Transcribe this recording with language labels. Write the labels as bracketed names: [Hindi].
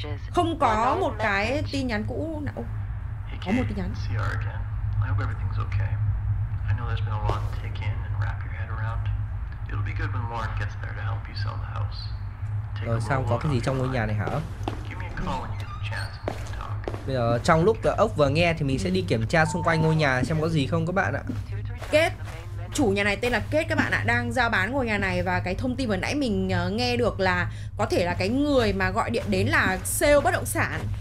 [Vietnamese] Không có một cái tin nhắn cũ nào. Có một tin nhắn. [English] I hope everything's okay. I know there's been a lot to take in and wrap your head around. It'll be good when Lauren gets there to help you sell the house. [Vietnamese] Take rồi sao có cái gì trong ngôi nhà này hả? Bây giờ trong lúc ốc vừa nghe thì mình sẽ đi kiểm tra xung quanh ngôi nhà xem có gì không các bạn ạ. Kate, chủ nhà này tên là Kate các bạn ạ, đang giao bán ngôi nhà này và cái thông tin vừa nãy mình nghe được là có thể là cái người mà gọi điện đến là sale bất động sản.